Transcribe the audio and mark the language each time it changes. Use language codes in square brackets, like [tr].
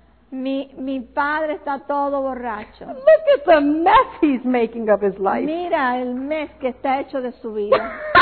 [es] Mi padre está todo borracho. [en] Look at the mess he's making of his life. [es] Mira el mess que está hecho de su vida.